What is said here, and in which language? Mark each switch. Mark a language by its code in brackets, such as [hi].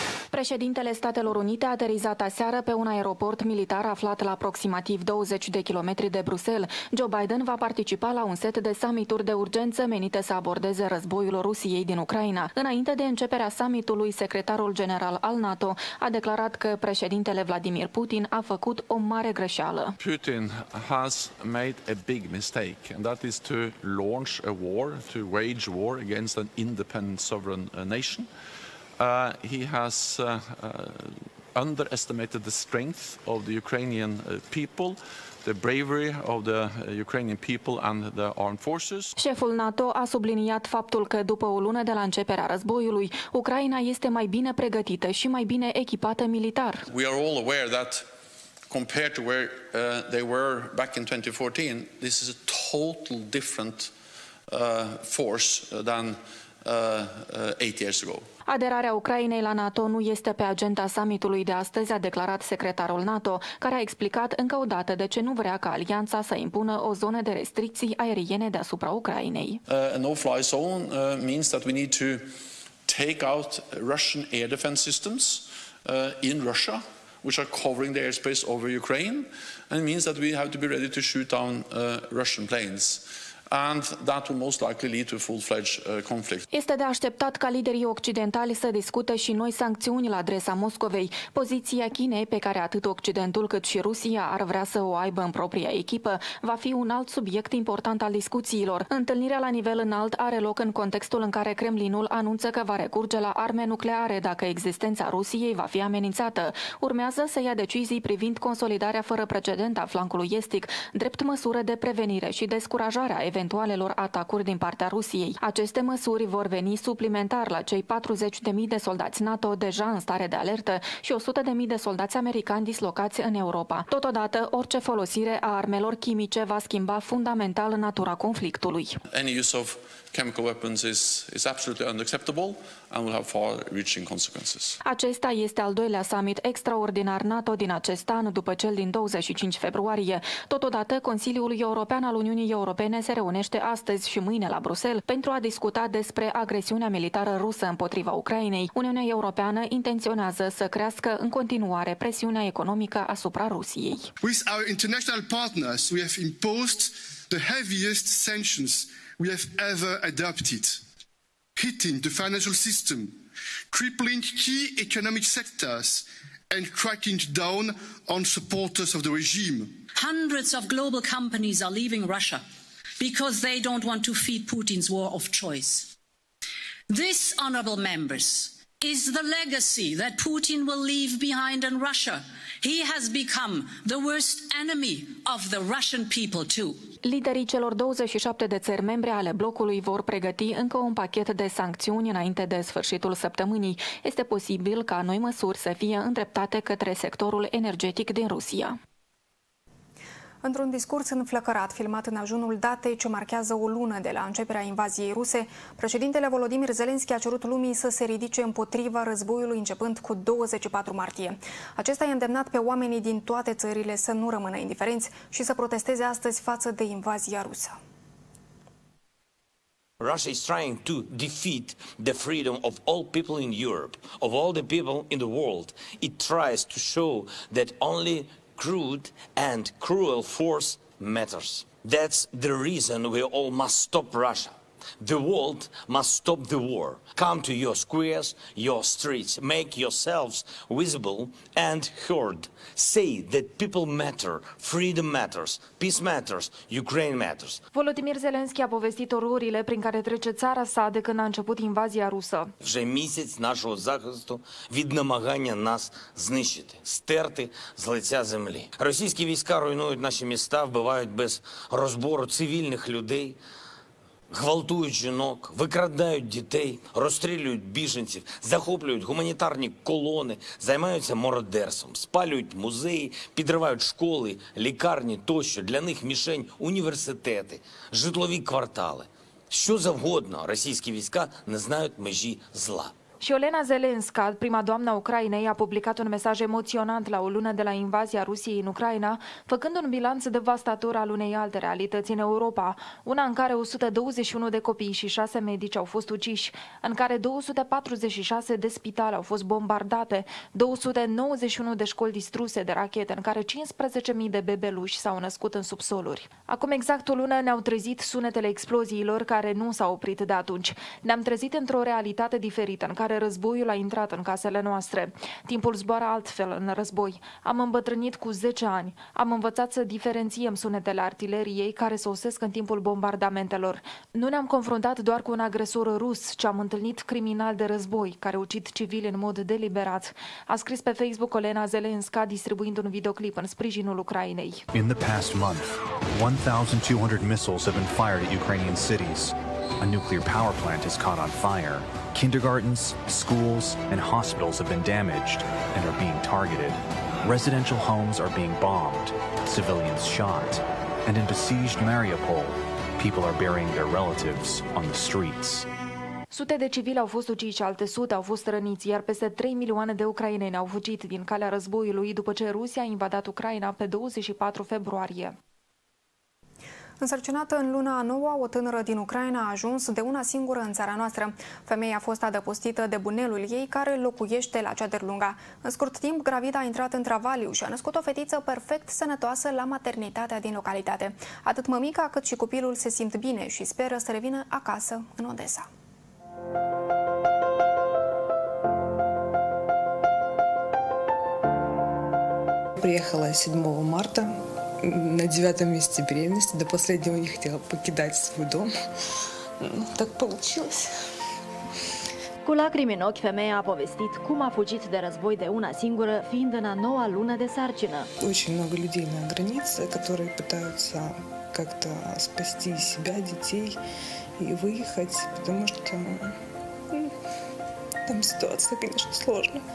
[ro] Președintele Statelor Unite a aterizat aseară pe un aeroport militar aflat la aproximativ 20 de kilometri de Bruxelles. Joe Biden va participa la un set de summituri de urgență menite să abordeze războiul Rusiei din Ucraina. Înainte de începerea summitului, secretarul general al NATO a declarat că președintele Vladimir Putin a făcut o mare greșeală. [en] Putin has made a big mistake, and that is to launch a war, to wage war against an independent sovereign nation. He has underestimated the strength of the Ukrainian people, the bravery of the Ukrainian people and the armed forces. [ro] Șeful NATO a subliniat faptul că după o lună de la începerea războiului, Ucraina este mai bine pregătită și mai bine echipată militar. [en] We are all aware that compared to where they were back in 2014, this is a total different force than 8 years ago. [ro] Aderarea Ucrainei la NATO nu este pe agenda summitului de astăzi, a declarat secretarul NATO, care a explicat încă o dată de ce nu vrea ca alianța să impună o zonă de restricții aeriene deasupra Ucrainei. [en] A no-fly zone means that we need to take out Russian air defense systems in Russia, which are covering the airspace over Ukraine, and it means that we have to be ready to shoot down Russian planes. And that will most likely lead to a full-fledged conflict. [ro] Este de așteptat ca liderii occidentali să discute și noi sancțiuni la adresa Moscovei. Poziția Chinei, pe care atât Occidentul cât și Rusia ar vrea să o aibă în propria echipă, va fi un alt subiect important al discuțiilor. Întâlnirea la nivel înalt are loc în contextul în care Kremlinul anunță că va recurge la arme nucleare dacă existența Rusiei va fi amenințată. Urmează să ia decizii privind consolidarea fără precedent a flancului estic, drept măsură de prevenire și descurajare eventualelor atacuri din partea Rusiei. Aceste măsuri vor veni suplimentar la cei 40.000 de soldați NATO deja în stare de alertă și 100.000 de soldați americani dislocați în Europa. Totodată, orice folosire a armelor chimice va schimba fundamental natura conflictului. [en] Any use of chemical weapons is absolutely unacceptable and will have far-reaching consequences. [ro] Acesta este al doilea summit extraordinar NATO din acest an, după cel din 25 februarie. Totodată, Consiliul European al Uniunii Europene se reunește astăzi și mâine la Bruxelles pentru a discuta despre agresiunea militară rusă împotriva Ucrainei. Uniunea Europeană intenționează să crească în continuare presiunea economică asupra Rusiei. [en] With our international partners, we have imposed the heaviest sanctions we have ever adopted, hitting the financial system, crippling key economic sectors, and cracking down on supporters of the regime. Hundreds of global companies are leaving Russia because they don't want to feed Putin's war of choice. This, honorable members, is the legacy that Putin will leave behind in Russia. He has become the worst enemy of the Russian people too. [ro] Liderii celor 27 de țări membre ale blocului vor pregăti încă un pachet de sancțiuni înainte de sfârșitul săptămânii. Este posibil ca noi măsuri să fie îndreptate către sectorul energetic din Rusia. Într-un discurs înflăcărat filmat în ajunul datei ce marchează o lună de la începerea invaziei ruse, președintele Volodymyr Zelensky a cerut lumii să se ridice împotriva războiului începând cu 24 martie. Acesta i-a îndemnat pe oamenii din toate țările să nu rămână indiferenți și să protesteze astăzi față de invazia rusă. [en] Russia is trying to defeat the freedom of all people in Europe, of all the people in the world. It tries to show that only crude and cruel force matters. That's the reason we all must stop Russia. The world must stop the war. Come to your squares, your streets. Make yourselves visible and heard. Say that people matter. Freedom matters. Peace matters. Ukraine matters. [ro] Volodymyr Zelensky a povestit ororile prin care trece țara sa de când a început invazia rusă. [uk] Вже місяць нашого захисту від намагання нас знищити, стерти з лиця землі. Російські війська руйнують наші міста, вбивають без розбору цивільних людей. Гвалтують жінок, викрадають дітей, розстрілюють біженців, захоплюють гуманітарні колони, займаються мародерством, спалюють музеї, підривають школи, лікарні тощо. Для них мішень університети, житлові квартали. Що завгодно, російські війська не знають межі зла. [ro] Și Olena Zelenska, prima doamna Ucrainei, a publicat un mesaj emoționant la o lună de la invazia Rusiei în Ucraina, făcând un bilanț devastator al unei alte realități în Europa, una în care 121 de copii și 6 medici au fost uciși, în care 246 de spitale au fost bombardate, 291 de școli distruse de rachete, în care 15.000 de bebeluși s-au născut în subsoluri. Acum exact o lună ne-au trezit sunetele exploziilor care nu s-au oprit de atunci. Ne-am trezit într-o realitate diferită, în care războiul a intrat în casele noastre. Timpul zboară altfel în război. Am îmbătrânit cu 10 ani. Am învățat să diferențiem sunetele artileriei care sosesc în timpul bombardamentelor. Nu ne-am confruntat doar cu un agresor rus, ci am întâlnit criminali de război, care ucid civili în mod deliberat. A scris pe Facebook Olena Zelenska, distribuind un videoclip în sprijinul Ucrainei. [en] In the past month, 1,200 missiles have been fired at Ukrainian cities. A nuclear power plant has caught on fire. Kindergartens, schools, and hospitals have been damaged and are being targeted. Residential homes are being bombed, civilians shot, and in besieged Mariupol, people are burying their relatives on the streets. [ro] Sute de civili au fost uciși, alte sute au fost răniți, iar peste 3 milioane de ucraineni au fugit din calea războiului după ce Rusia a invadat Ucraina pe 24 februarie. Însărcinată în luna a noua, o tânără din Ucraina a ajuns de una singură în țara noastră. Femeia a fost adăpostită de bunelul ei, care locuiește la cea de lunga. În scurt timp, gravida a intrat în travaliu și a născut o fetiță perfect sănătoasă la maternitatea din localitate. Atât mămica, cât și copilul se simt bine și speră să revină acasă, în Odessa. [ru] Приехала 7 марта. На 9-м месяце беременности, до последнего не хотела покидать свой дом. Ну, так получилось. [ro] Cu lacrimi în ochi, femeia a povestit cum a fugit de război de una singură, fiind în a noua lună de sarcină. [ru] Очень много людей на границе, которые пытаются как-то спасти себя, детей и выехать, потому что там ситуация, конечно, сложная.